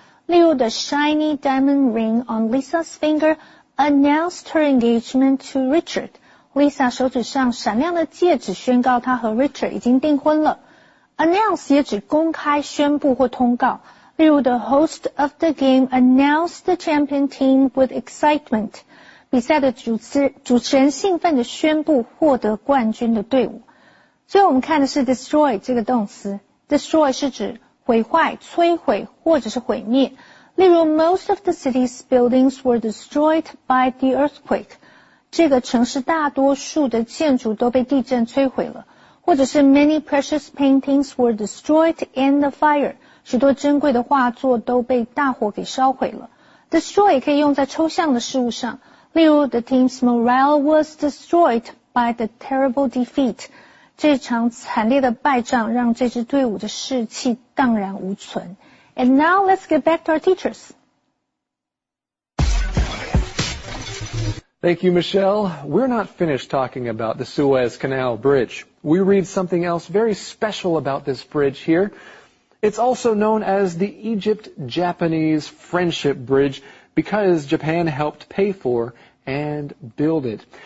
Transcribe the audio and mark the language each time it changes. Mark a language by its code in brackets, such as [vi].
[en] 例如 the shiny diamond ring on Lisa's finger announced her engagement to Richard. [zh] Lisa 手指上闪亮的戒指宣告她和 Richard 已经订婚了。 Announce 也指公开宣布或通告。 [en] 例如 the host of the game announced the champion team with excitement. [zh] 比赛的主持人兴奋地宣布获得冠军的队伍。最后我们看的是 destroy 这个动词。destroy 是指毁坏、摧毁或者是毁灭。 [en] 例如 ,most of the city's buildings were destroyed by the earthquake. [zh] 这个城市大多数的建筑都被地震摧毁了。 [en] 或者是 many precious paintings were destroyed in the fire. [zh] 许多珍贵的画作都被大火给烧毁了。 destroy 也可以用在抽象的事物上。 [en] 例如 the team's morale was destroyed by the terrible defeat. [zh] 这场惨烈的败仗让这支队伍的士气荡然无存。 [en] And now let's get back to our teachers. Thank you, Michelle. We're not finished talking about the Suez Canal Bridge. We read something else very special about this bridge here. It's also known as the Egypt-Japanese Friendship Bridge because Japan helped pay for and build it.